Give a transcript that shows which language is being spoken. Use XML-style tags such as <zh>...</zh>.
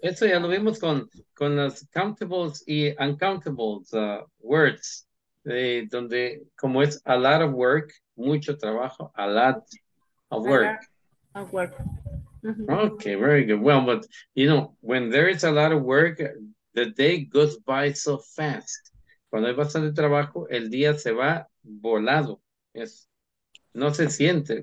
<es>Eso ya lo vimos con las countables y uncountables words, donde como es</es> <en>a lot of work,</en> <es>mucho trabajo, a lot of work.</es> <en>A lot of work. Mm-hmm. Okay, very good. Well, but, you know, when there is a lot of work, the day goes by so fast.</en> <es>Cuando hay bastante trabajo, el día se va volado. Yes. No se siente.</es>